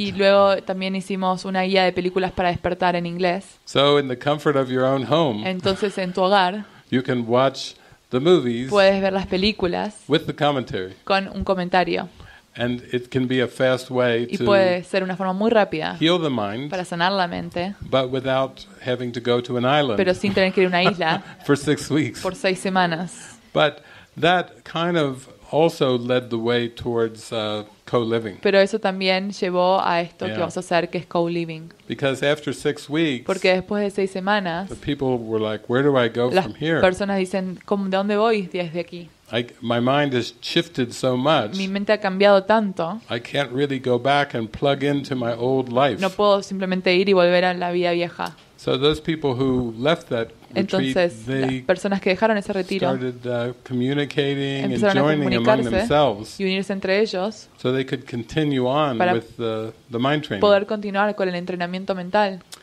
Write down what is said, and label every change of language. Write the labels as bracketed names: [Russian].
[Spanish] Y luego también hicimos una guía de películas para despertar en inglés. [English] So in the comfort of your own home. [Spanish] Entonces en tu hogar. [English] You can watch the movies. [Spanish] Puedes ver las películas. [English] With the commentary. [Spanish] Con un comentario. [English] And it can be a fast way to [Spanish] y puede ser una forma muy rápida. [English] Heal the mind. [Spanish] Para sanar la mente. [English] But without having to go to an island. [Spanish] Pero sin tener que ir a una isla. [English] For 6 weeks. [Spanish] Por 6 semanas. [English] But that kind of also led the way towards co-living. [Spanish] Pero eso también llevó a esto yeah. Que vamos a hacer, que es co-living. [English] Because after 6 weeks, [Spanish] porque después de 6 semanas, [English] the people were like, "Where do I go from here?" [Spanish] Las personas dicen, ¿de dónde voy desde aquí? [English] my mind has shifted so much. [Spanish] Mi mente ha cambiado tanto. [English] I can't really go back and plug into my old life. [Spanish] No puedo simplemente ir y volver a la vida vieja. [English] So those people who left that [Spanish] entonces, [English] retreat, [Spanish] las personas que dejaron ese retiro [English] started, communicating and joining among themselves [Spanish] y unirse entre ellos [English] so they could continue on [Spanish] para [English] with the mind training. [Spanish] Poder continuar con el entrenamiento mental.